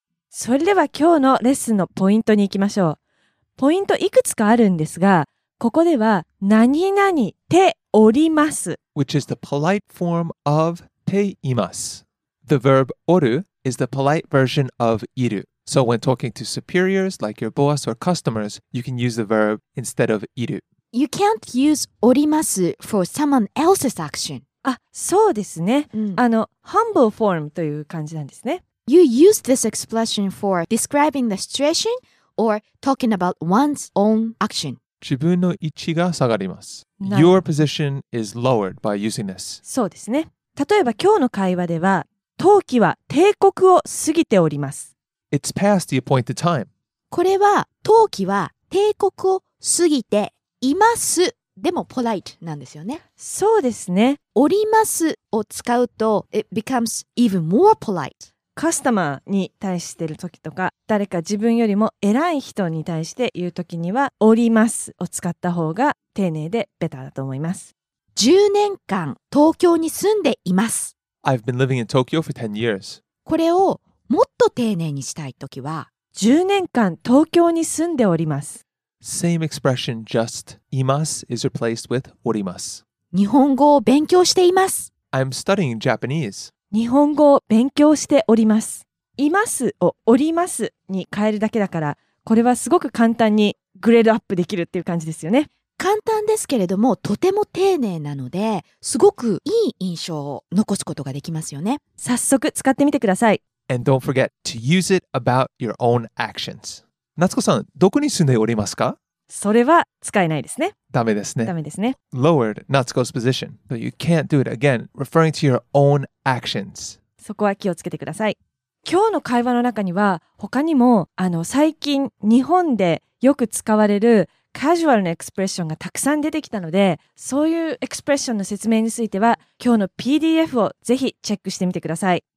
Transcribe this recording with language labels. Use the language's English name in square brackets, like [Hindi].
[Japanese] それでは今日のレッスンのポイントに行きましょう。ポイントいくつかあるんですが、ここでは何々ております。 [English] Which is the polite form of ています。 The verb oru is the polite version of iru. So when talking to superiors, like your boss or customers, you can use the verb instead of iru. You can't use orimasu for someone else's action. [Japanese] Ah, そうですね。あの、 [English] humble form [Japanese] という感じなんですね。 [English] You use this expression for describing the situation or talking about one's own action. [Japanese] 自分の位置が下がります。 [English] Your position is lowered by using this. [Japanese] そうですね。例えば今日の会話では、冬季は定刻を過ぎております。 [English] It's past the appointed time. [Japanese] これは、冬季は定刻を過ぎています。でも、polite なんですよね。そうですね。おりますを使うと、 [English] it becomes even more polite. [Japanese] カスタマーに対してる時とか、誰か自分よりも偉い人に対して言う時には、おりますを使った方が丁寧でベターだと思います。 10年間、東京に住んでいます。 [English] I've been living in Tokyo for 10 years. [Japanese] これを、もっと丁寧にしたいときは、 10年間東京に住んでおります。 [English] Same expression, just います is replaced with おります。 [Japanese] 日本語を勉強しています。 [English] I'm studying Japanese. [Japanese] 日本語を勉強しております。いますをおりますに変えるだけだから、これはすごく簡単にグレードアップできるっていう感じですよね。簡単ですけれども、とても丁寧なので、すごくいい印象を残すことができますよね。早速使ってみてください。 [English] And don't forget to use it about your own actions. [Japanese] 夏子さん、どこに住んでおりますか？それは使えないですね。ダメですね。ダメですね。 [English] Lowered Natsuko's position. So you can't do it again, referring to your own actions. [Japanese] そこは気をつけてください。今日の会話の中には、他にも、あの、最近日本でよく使われるカジュアルなエクスプレッションがたくさん出てきたので、そういうエクスプレッションの説明については、今日の PDF をぜひチェックしてみてください。